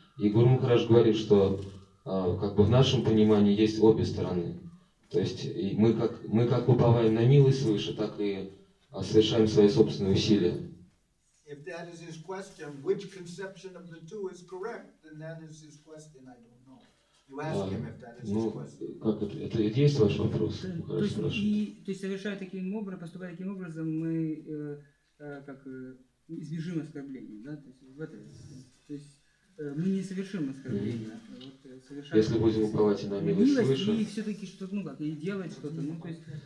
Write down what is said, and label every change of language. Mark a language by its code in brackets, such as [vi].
[ru] И Гуру Махарадж говорит, что как бы в нашем понимании есть обе стороны. То есть мы как уповаем на милость свыше, так и совершаем свои собственные усилия. [en] If that is his question, which conception of the two is correct, then that is his question, I don't know. You ask him if that is his question. [ru] Как это есть ваш вопрос? То есть совершая таким образом, поступая таким образом, мы как избежим оскорбления, да? То есть, мы не совершим оскорбления. Вот, если будем уповать и на милость свыше. И все-таки что-то, ну как, и делать что-то, ну то есть...